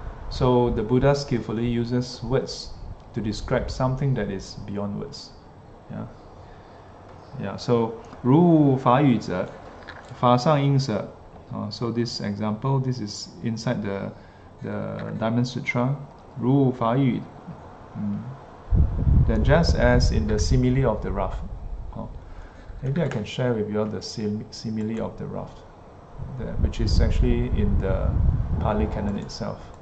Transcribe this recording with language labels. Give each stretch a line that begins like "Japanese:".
English: So the Buddha skillfully uses words to describe something that is beyond words. Yeah. Yeah.
Chinese: So 如法语者, 法上应者.
English: So this example, this is inside the Diamond Sutra.
Chinese: 如法语,
English: then just as in the simile of the raft. Maybe I can share with you all the simile of the raft, which is actually in the Pali Canon itself.